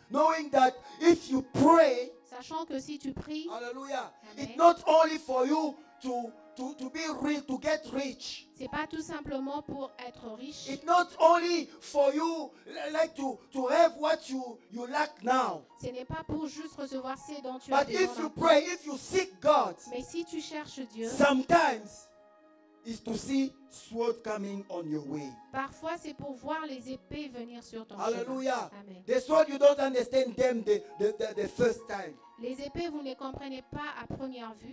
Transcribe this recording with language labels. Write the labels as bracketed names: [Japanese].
[English] Knowing that if you pray. [French] Sachant que si tu pries. Hallelujah. [English] It's not only for you to be rich, to get rich. [French] C'est pas tout simplement pour être riche. [English] It's not only for you like to have what you lack now. [French] Ce n'est pas pour juste recevoir ce dont tu as besoin. [English] But if you pray, if you seek God. [French] Mais si tu cherches Dieu. [English] Sometimes is to see sword coming on your way. [French] Parfois c'est pour voir les épées venir sur ton Alleluia. Chemin. [English] The sword you don't understand them the first time. [French] Les épées vous ne les comprenez pas à première vue.